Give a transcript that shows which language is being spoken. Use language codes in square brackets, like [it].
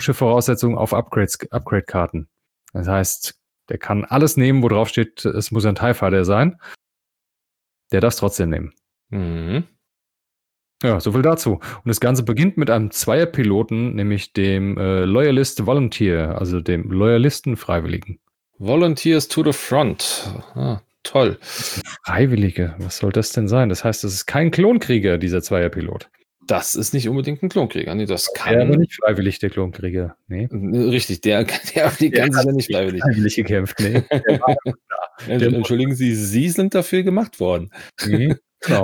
[de] Schiffvoraussetzung auf Upgrade-Karten. Das heißt, der kann alles nehmen, wo drauf steht, es muss ein Tai-Fighter sein. Der darf es trotzdem nehmen. Ja, so viel dazu. Und das Ganze beginnt mit einem Zweierpiloten, nämlich dem Loyalist Volunteer, also dem Loyalisten-Freiwilligen. [en] Volunteers to the front. [de] Ah, toll. Freiwillige, was soll das denn sein? Das heißt, das ist kein Klonkrieger, dieser Zweierpilot. Das ist nicht unbedingt ein Klonkrieger. Nee, das kann. Der war nicht freiwillig, der Klonkrieger. Nee. Richtig, der war die ganze Zeit nicht freiwillig. Der hat freiwillig gekämpft. Nee. Entschuldigen Sie, Sie sind dafür gemacht worden. Nee. Genau.